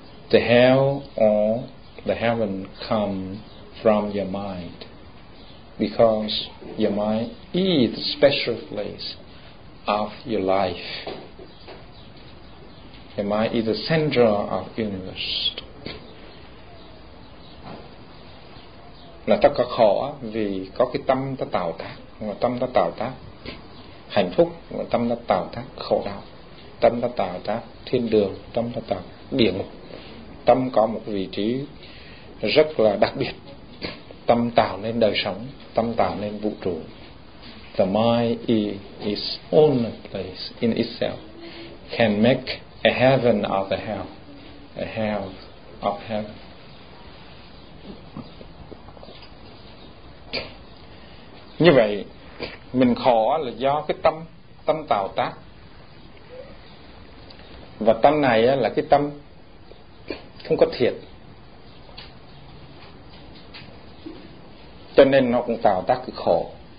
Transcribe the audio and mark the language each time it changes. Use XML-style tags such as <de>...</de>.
<en>The hell or the heaven come from your mind, because your mind is the special place of your life. Your mind is the center of the universe.</en> <vi>Là ta có khổ vì có cái tâm ta tạo tác, và tâm ta tạo tác hạnh phúc, và tâm ta tạo tác khổ đau, tâm ta tạo tác thiên đường, tâm ta tạo địa ngục. Tâm có một vị trí rất là đặc biệt. Tâm tạo nên đời sống, tâm tạo nên vũ trụ.</vi> <en>The mind is own place in itself can make a heaven of the hell, a hell of heaven.</en> <vi>Như vậy mình khổ là do cái tâm, tâm tạo tác. Và tâm này là cái tâm không có thiệt, cho nên nó cũng tạo tác cái khổ.</vi>